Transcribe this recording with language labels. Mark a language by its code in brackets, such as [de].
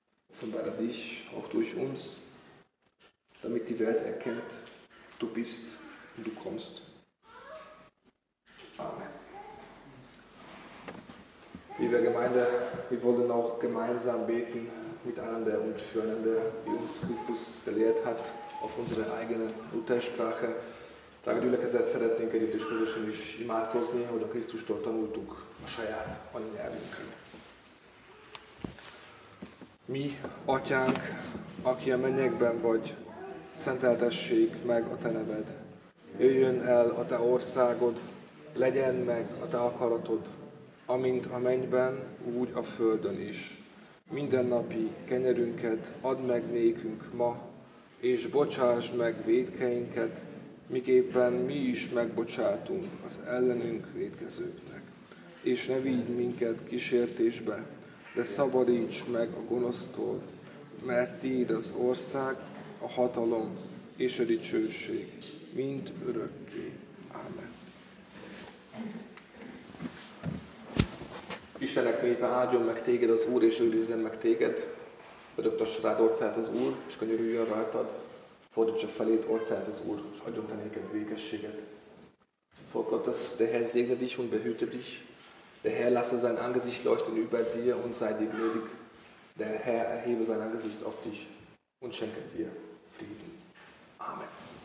[de] Offenbare dich auch durch uns, damit die Welt erkennt, du bist und du kommst. Amen. Liebe Gemeinde, wir wollen auch gemeinsam beten, miteinander und füreinander, wie uns Christus gelehrt hat, auf unsere eigene Muttersprache. Tak dílek se zase dělá, když těžko zase myslíš, i matko z něho, do Kristu štortanou tuk, a šajat, oni nevím, kdo. [hu] Mi, Atyánk, aki a mennyekben vagy, szenteltessék meg a te neved. Jöjjön el a te országod, legyen meg a te akaratod, amint a mennyben, úgy a földön is. Mindennapi kenyerünket add meg nékünk ma, és bocsásd meg vétkeinket, miképpen mi is megbocsátunk az ellenünk vétkezőknek. És ne vígy minket kísértésbe, de szabadíts meg a gonosztól, mert tiéd az ország, a hatalom és a dicsőség mind örökké. Amen. Istenek népe, áldjon meg téged az Úr, és őrizzen meg téged. Vödöktass rád orcát az Úr, és könyörüljön rajtad. Fordítsa felét orcát az Úr, és adjon te néked békességet. Fogadasz, [de] de Herr segne dich und behüte dich. Der Herr lasse sein Angesicht leuchten über dir und sei dir gnädig. Der Herr erhebe sein Angesicht auf dich und schenke dir Frieden. Amen.